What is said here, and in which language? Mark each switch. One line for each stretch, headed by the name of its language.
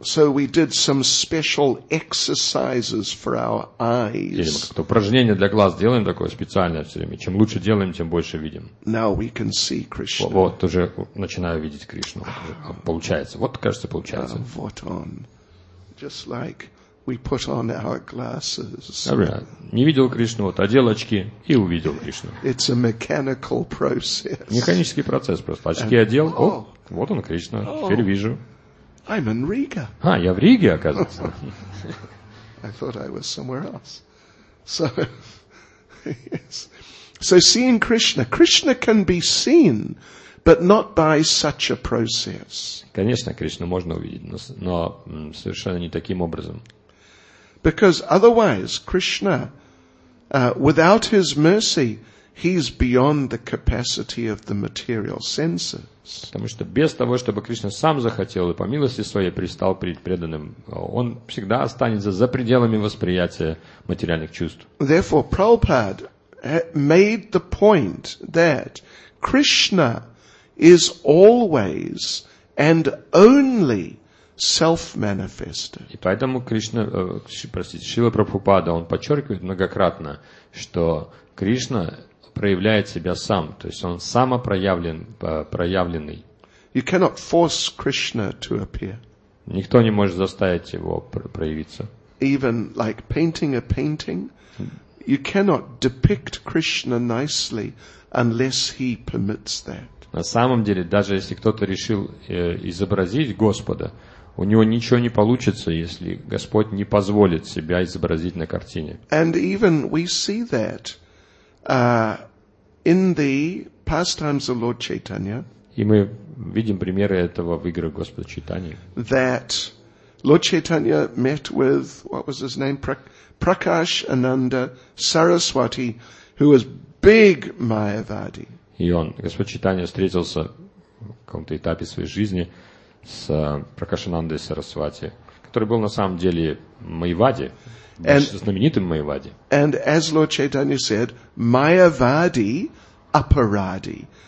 English: So we did some special exercises for our eyes.
Russian: Или мы как-то упражнение для глаз делаем такое специальное все время. Чем лучше делаем, тем больше видим.
English: Now we can see Krishna.
Russian: Вот уже начинаю видеть Кришну. Получается. Вот, кажется, получается. Вот он.
English: Just like... We put on our glasses.
Russian: Не видел Кришну, вот одел очки и увидел Кришну.
English: It's a mechanical process.
Russian: Механический процесс просто. Очки одел, о, вот он Кришна, теперь вижу.
English: I'm in Riga.
Russian: А, я в Риге, оказывается.
English: I thought I was somewhere else. So, yes. So seeing Krishna. Krishna can be seen, but not by such a process.
Russian: Конечно, Кришну можно увидеть, но совершенно не таким образом.
English: Because otherwise, Krishna, without His mercy, He's beyond the capacity of the material senses.
Russian: Потому что без того, чтобы Кришна сам захотел и по милости своей пристал перед преданным, он всегда останется за пределами восприятия материальных чувств.
English: Therefore, Prabhupada made the point that Krishna is always and only self-manifested.
Russian: И поэтому Кришна, простите, Шрила Прабхупада, он подчеркивает многократно, что Кришна проявляет себя сам, то есть он самопроявлен, проявленный.
English: You cannot force Krishna to appear.
Russian: Никто не может заставить его проявиться.
English: Even like painting a painting, you cannot depict Krishna nicely unless He permits that.
Russian: На самом деле, даже если кто-то решил изобразить Господа, у него ничего не получится, если Господь не позволит себя изобразить на картине.
English: And even we see that in the pastimes of Lord Chaitanya.
Russian: И мы видим примеры этого в играх Господа Чайтаньи.
English: That Lord Chaitanya met with, what was his name, Prakash Ananda Saraswati, who was big Mayavadi.
Russian: И он, Господь Чайтанья, встретился в каком-то этапе своей жизни с Пракашанандой Сарасвати, который был на самом деле Майявади, знаменитым Майявади.
English: And as Lord Chaitanya said, Mayavadi aparadi.